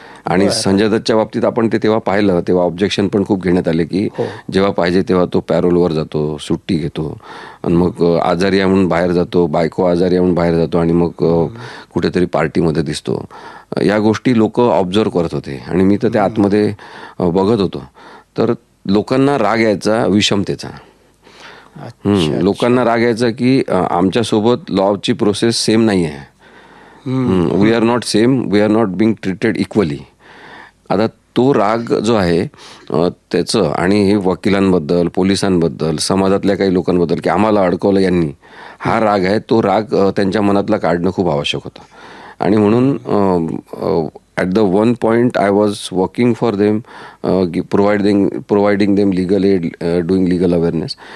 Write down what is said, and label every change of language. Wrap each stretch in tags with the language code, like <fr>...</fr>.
<mr>आणि संजय दत्तच्या बाबतीत आपण ते तेव्हा पाहिलं तेव्हा ऑब्जेक्शन पण खूप घेण्यात आले की जेव्हा पाहिजे तेव्हा तो पॅरोलवर जातो, सुट्टी घेतो आणि मग आजारी आणून बाहेर जातो, बायको आजारी आणून बाहेर जातो आणि मग कुठेतरी पार्टीमध्ये दिसतो. या गोष्टी लोक ऑब्झर्व करत होते आणि मी तर त्या आतमध्ये बघत होतो. तर लोकांना राग यायचा विषमतेचा, लोकांना राग यायचा की आमच्यासोबत लॉची प्रोसेस सेम नाही आहे.</mr> <en>We are not same, we are not being treated equally.</en> <mr>आता तो राग जो आहे त्याचं आणि हे वकिलांबद्दल, पोलिसांबद्दल, समाजातल्या काही लोकांबद्दल की आम्हाला अडकवलं यांनी, हा राग आहे, तो राग त्यांच्या मनातला काढणं खूप आवश्यक होतं. आणि म्हणून</mr> <en>At the one point I was working for them, providing them legal aid, doing legal awareness.</en>